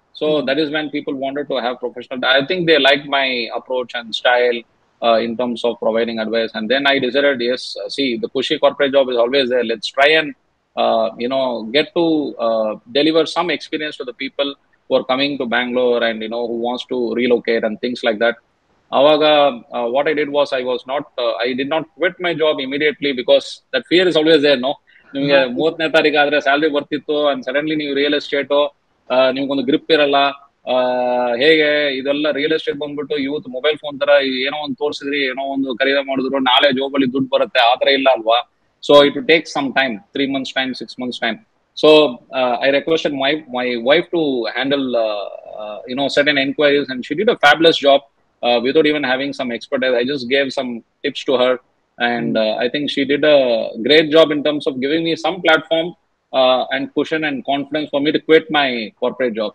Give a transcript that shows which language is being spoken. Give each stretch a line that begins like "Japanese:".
English: So that is when people wanted to have professional. I think they liked my approach and style in terms of providing advice, and then I decided, yes, see, the cushy corporate job is always there, let's try and you know, get to deliver some experience to the people who are coming to Bangalore, and you know, who wants to relocate and things like that. Avaga what I did was, I did not quit my job immediately, because that fear is always there, no,
Kannada: nimge 3rd tarikh adre salary bartitto,
English: and suddenly new real estate
Kannada: nimge ond grip iralla. ಹೇಗೆ ಇದೆಲ್ಲ real estate ಬಂದ್ಬಿಟ್ಟು youth mobile phone ತರ ಏನೋ ಒಂದು ತೋರಿಸಿದ್ರಿ, ಏನೋ ಒಂದು ಖರೀದಿ ಮಾಡಿದ್ರು, ನಾಳೆ ಜಾಬಲ್ಲಿ ದುಡ್ಡು ಬರುತ್ತೆ, ಆ ಥರ ಇಲ್ಲ ಅಲ್ವಾ.
English: so it take some time,
Kannada: 3 months time, 6 months time.
English: So I requested my wife to handle certain inquiries, and she did a fabulous job without even having some expertise. I just gave some tips to her, and I think she did a great job in terms of giving me some platform and cushion and confidence for me to quit my corporate job.